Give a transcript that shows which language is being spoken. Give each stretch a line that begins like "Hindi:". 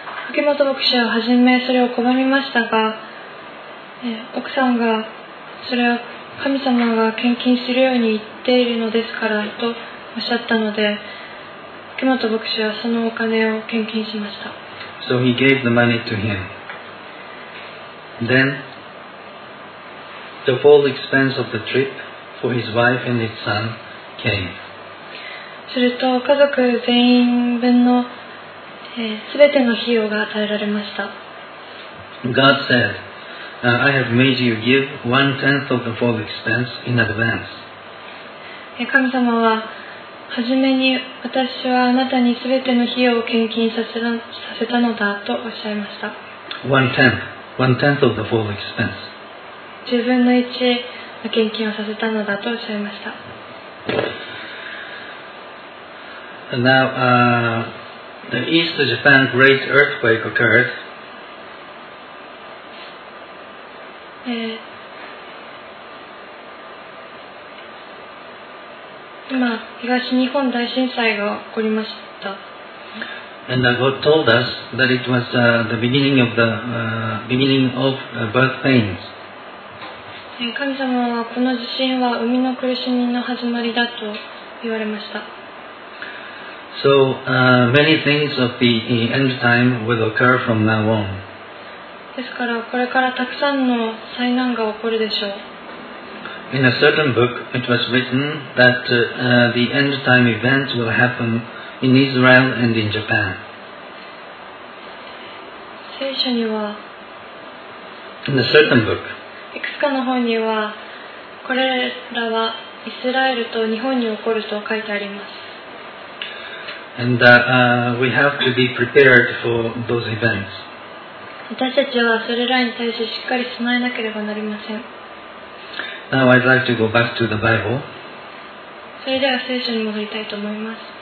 Japanese: 秋元牧師は初めそれを拒みましたが、奥さんがそれは神様が献金するように言っているのですからとおっしゃったので。秋元牧師はそのお金を献金しました。
English: So he gave the money to him. Then, the full expense of the trip for his wife and his son came.
Japanese: すると家族全員分の、全ての費用が与えられました。
English: God said, I have made you give one tenth of the full expense in advance.
Japanese: 神様は、はじめに私はあなたにすべての費用を献金させたのだとおっしゃいました。
English: One tenth of the full expense.
Japanese: 十分の一の献金をさせたのだとおっしゃいました。
English: Now, the East Japan Great Earthquake occurred.
Japanese: 今東日本大震災が起こりました。
English: And God told us that it was the beginning of the beginning of birth pains.
Japanese: 神様はこの地震は生みの苦しみの始まりだと言われました。
English: So many things of the end time will occur from now on.
Japanese: ですからこれからたくさんの災難が起こるでしょう。
English: In a certain book, it was written that the end time events will happen in Israel and in Japan.
Japanese: 聖書には
English: In a certain book.
Japanese: いくつかの本にはこれらはイスラエルと日本に起こると書いてあります。
English: And we have to be prepared for those events.
Japanese: 私たちはそれらに対してしっかり備えなければなりません。
English: Now I'd like to go back to the Bible.
Japanese: それでは聖書に戻りたいと思います。